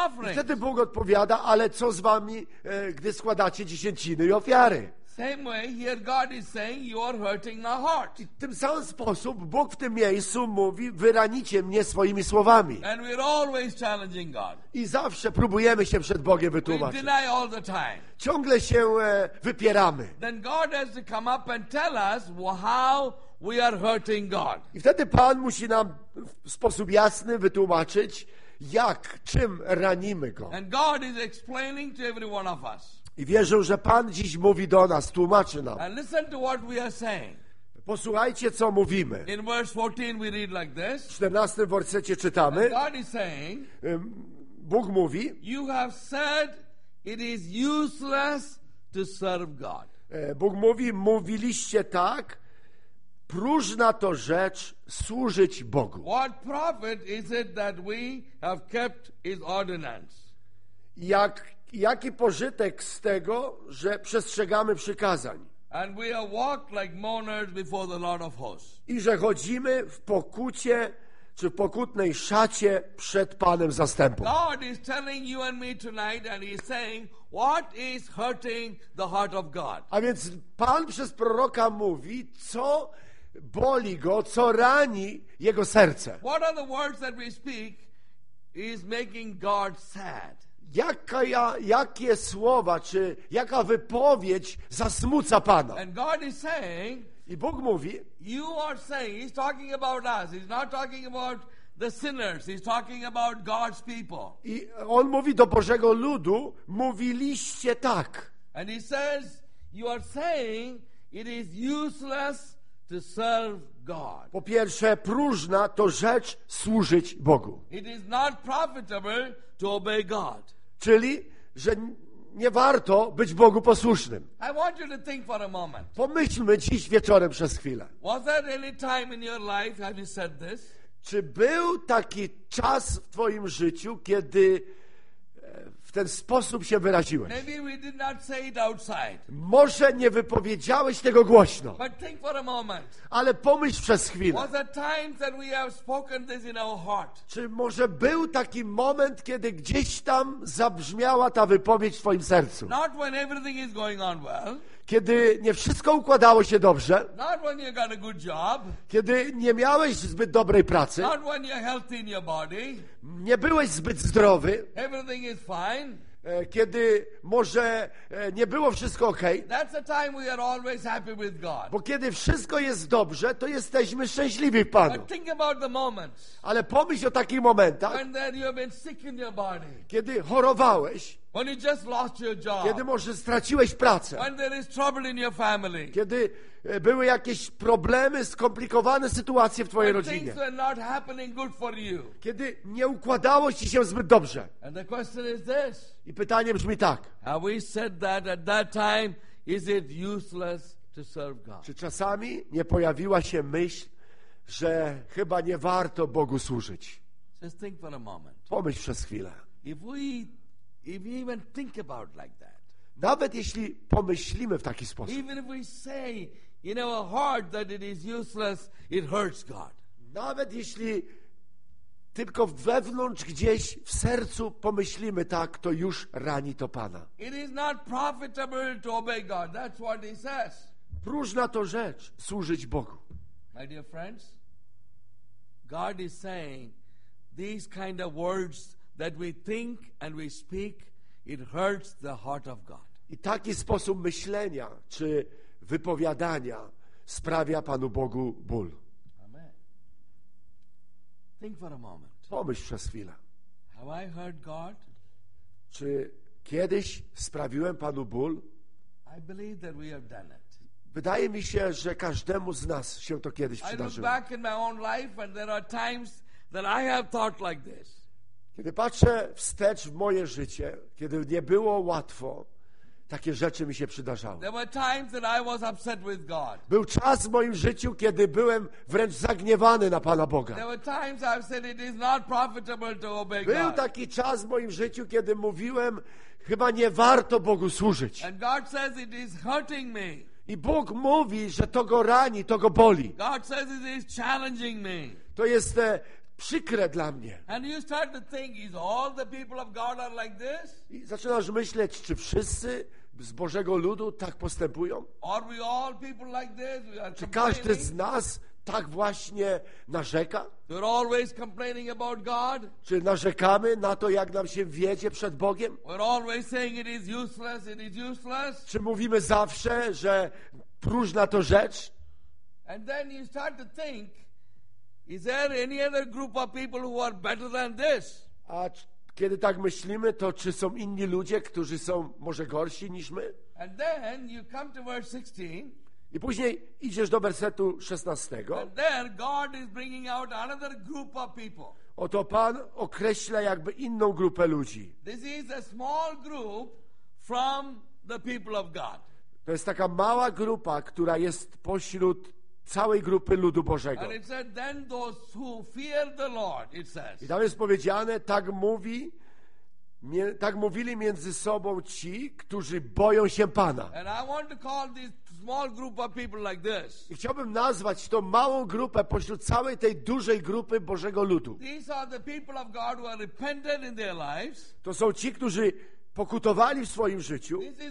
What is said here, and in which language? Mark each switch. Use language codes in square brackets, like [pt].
[pl] I wtedy Bóg odpowiada, ale co z wami, gdy składacie dziesięciny i ofiary? [en] Same way here God is saying you are hurting my heart. [pl] W tym samym sposób Bóg w tym miejscu mówi, wy ranicie mnie swoimi słowami. [en] And we're always challenging God. [pl] I zawsze próbujemy się przed Bogiem wytłumaczyć. [en] We deny all the time. [pl] Ciągle się wypieramy. [en] Then God has to come up and tell us how we are hurting God. [pl] I wtedy Pan musi nam w sposób jasny wytłumaczyć, jak, czym ranimy Go. [en] And God is explaining to every one of us. [pl] I wierzę, że Pan dziś mówi do nas, tłumaczy nam. [en] And listen to what we are saying. [pl] Posłuchajcie, co mówimy. [en] In verse 14 we read like this. [pl] W 14 wersecie czytamy. [en] God is saying, [pl] Bóg mówi. [en] You have said it is useless to serve God. [pl] Bóg mówi, mówiliście tak, próżna to rzecz służyć Bogu. [en] What profit is it that we have kept his ordinance? [pl] Jaki pożytek z tego, że przestrzegamy przykazań? [en] And we are walked like mourners before the Lord of hosts. [pl] I że chodzimy w pokucie, czy w pokutnej szacie przed Panem zastępów. [en] God is telling you and me tonight, and he's saying, what is hurting the heart of God? [pl] A więc Pan przez proroka mówi, co boli go, co rani jego serce. [en] What are the words that we speak is making God sad? [pl] Jakie słowa, czy jaka wypowiedź zasmuca Pana? [en] And God is saying, [pl] i Bóg mówi, [en] you are saying, he's talking about us, he's not talking about the sinners, he's talking about God's people. [pl] I on mówi do Bożego ludu, mówiliście tak. [en] And he says, you are saying, it is useless to serve God. [pl] Po pierwsze, próżna to rzecz służyć Bogu. [en] It is not profitable to obey God. [pl] Czyli, że nie warto być Bogu posłusznym. [en] I want you to think for a moment. [pl] Pomyślmy dziś wieczorem przez chwilę. [en] Was there any time in your life have you said this? [pl] Czy był taki czas w twoim życiu, kiedy w ten sposób się wyraziłeś? [en] Maybe we did not say it outside. [pl] Może nie wypowiedziałeś tego głośno. [en] But think for a moment. [pl] Ale pomyśl przez chwilę. [en] Was there times that we have spoken this in our heart? [pl] Czy może był taki moment, kiedy gdzieś tam zabrzmiała ta wypowiedź w twoim sercu? [en] Not when everything is going on well. [pl] Kiedy nie wszystko układało się dobrze, [en] not when you got a good job, [pl] kiedy nie miałeś zbyt dobrej pracy, [en] not when you're healthy in your body, [pl] nie byłeś zbyt zdrowy, [en] everything is fine, [pl] kiedy może nie było wszystko okej, [en] that's the time we are always happy with God. [pl] Bo kiedy wszystko jest dobrze, to jesteśmy szczęśliwi w Panu. [en] But think about the moments, [pl] ale pomyśl o takich momentach, [en] when then you have been sick in your body, [pl] kiedy chorowałeś. [en] When you just lost your job. [pl] Kiedy może straciłeś pracę. [en] When there is trouble in your family. [pl] Kiedy były jakieś problemy, skomplikowane sytuacje w twojej rodzinie. [en] When things were not happening good for you. [pl] Kiedy nie układało ci się zbyt dobrze. [en] And the question is this. [pl] I pytanie brzmi tak. [en] Have we said that at that time is it useless to serve God? [pl] Czy czasami nie pojawiła się myśl, że chyba nie warto Bogu służyć? [en] Just think for a moment. [pl] Pomyśl przez chwilę. [en] If we even think about like that, [pl] nawet jeśli pomyślimy w taki sposób, [en] even if we say in our heart that it is useless, it hurts God. [pl] Nawet jeśli tylko wewnątrz gdzieś w sercu pomyślimy tak, to już rani to Pana. [en] It is not profitable to obey God. That's what he says. [pl] Próżna to rzecz służyć Bogu. [en] My dear friends, God is saying these kind of words that we think and we speak, it hurts the heart of God. [pl] I taki sposób myślenia czy wypowiadania sprawia Panu Bogu ból. [en] Amen. Think for a moment. [pl] Pomyśl przez chwilę. [en] Have I hurt God? [pl] Czy kiedyś sprawiłem Panu ból? [en] I believe that we have done it. [pl] Wydaje mi się, że każdemu z nas się to kiedyś przydarzyło. [en] I look back in my own life and there are times that I have thought like this. [pl] Kiedy patrzę wstecz w moje życie, kiedy nie było łatwo, takie rzeczy mi się przydarzały. [en] There were times that I was upset with God. [pl] Był czas w moim życiu, kiedy byłem wręcz zagniewany na Pana Boga. [en] There were times I've said it is not profitable to obey God. [pl] Był taki czas w moim życiu, kiedy mówiłem, chyba nie warto Bogu służyć. [en] And God says it is hurting me. [pl] I Bóg mówi, że to go rani, to go boli. [en] God says it is challenging me. [pl] To jest przykre dla mnie. [en] And you start to think, is all the people of God are like this? [pl] I zaczynasz myśleć, czy wszyscy z Bożego ludu tak postępują? [en] Are we all people like this? We are [pl] czy każdy z nas tak właśnie narzeka? [en] We're always complaining about God? [pl] Czy narzekamy na to, jak nam się wiedzie przed Bogiem? [en] We're always saying it is useless, it is useless. [pl] Czy mówimy zawsze, że próżna to rzecz? [en] And then you start to think, is there any other group of people who are better than this? [pl] A kiedy tak myślimy, to czy są inni ludzie, którzy są może gorsi niż my? [en] And then you come to verse 16. [pl] I później idziesz do wersetu 16. [en] And there God is bringing out another group of people. [pl] Oto Pan określa jakby inną grupę ludzi. [en] This is a small group from the people of God. [pl] To jest taka mała grupa, która jest pośród całej grupy ludu Bożego. [en] And it said, then those who fear the Lord, it says. [pl] I tam jest powiedziane, tak mówi, tak mówili między sobą ci, którzy boją się Pana. [en] And I want to call this small group of people like this. [pl] I chciałbym nazwać tą małą grupę pośród całej tej dużej grupy Bożego ludu. [en] These are the people of God who are repentant in their lives. [pl] To są ci, którzy pokutowali w swoim życiu.